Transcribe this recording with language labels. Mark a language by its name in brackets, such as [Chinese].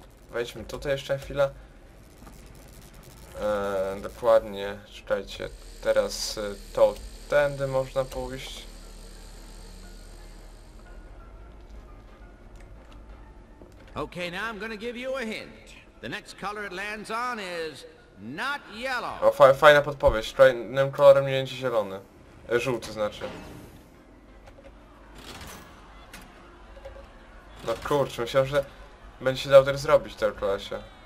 [Polish] Wejdźmy tutaj jeszcze chwilę. Dokładnie, czekajcie. Teraz to tędy można pójść. [English] Okay, now I'm gonna give you a hint. The next color it lands on is not yellow. [Polish] O, fajna podpowiedź. Kolejnym kolorem nie będzie zielony. Żółty znaczy. No kurczę, myślałem, że będzie się dał też zrobić w tej klasie.